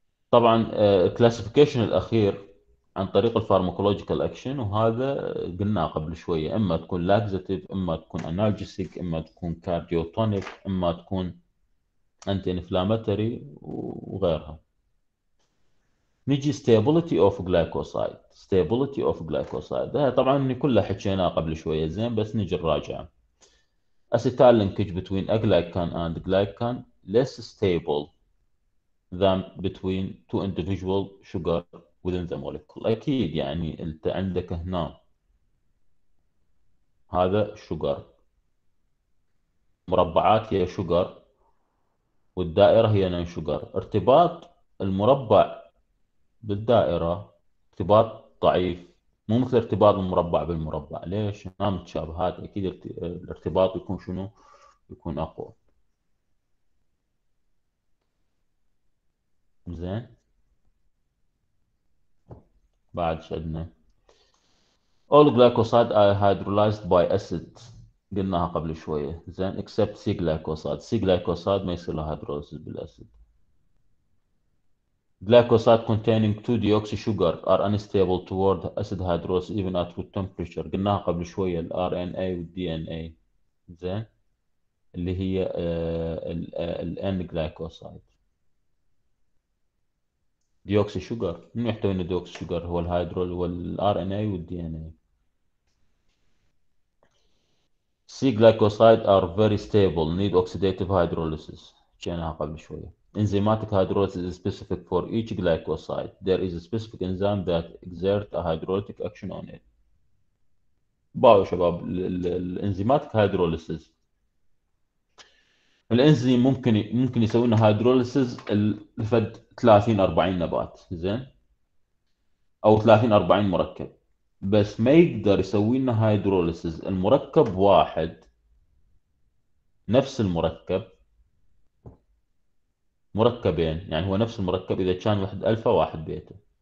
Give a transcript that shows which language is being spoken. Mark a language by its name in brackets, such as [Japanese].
[Arabic] طبعا الكلاسيفيكيشن الاخير عن طريق الفارماكولوجيكال اكشن وهذا قلناه قبل شويه اما تكون لاكزاتيف اما تكون انالجيسيك اما تكون كارديوتونيك اما تكون انتي انفلاماتوري وغيرها. نجي [English] stability of glycoside stability of glycoside [Arabic] ده طبعا كلها حكيناها قبل شويه زين بس نجي نراجع. [English] acetyl linkage between aglycan and glycan less stable than between two individual sugar within the molecule. [Arabic] اكيد يعني انت عندك هنا هذا sugar مربعات هي sugar والدائره هي non sugar ارتباط المربع بالدائرة ارتباط ضعيف مو مثل ارتباط المربع بالمربع ليش؟ ما متشابهات أكيد الارتباط يكون شنو؟ يكون أقوى زين. بعد شدنا [English] all glycosides are hydrolyzed by acid [Arabic] قلناها قبل شوية زين [English] except C glycoside C glycoside [Arabic] ما يصير لها hydrolysis بالأسيد. [English] Glycosides containing 2-deoxy sugar are unstable toward acid hydrolysis even at room temperature. [Arabic] قلناها قبل شوية ال RNA وال DNA زين اللي هي ال N glycoside. Deoxy sugar من يحتوي إنه deoxy sugar هو الهيدرول وال RNA وال DNA. [English] C glycosides are very stable need oxidative hydrolysis. [Arabic] قلناها قبل شوية. [English] Enzymatic hydrolysis is specific for each glycoside. There is a specific enzyme that exerts a hydrolytic action on it. [Arabic] باو شباب ال enzymatic hydrolysis. الانزيم ممكن يسوي لنا hydrolysis لفد 30 40 نبات زين او 30 40 مركب بس ما يقدر يسوي لنا hydrolysis المركب واحد نفس المركب مركبين يعني هو نفس المركب اذا كان واحد الفا واحد بيتا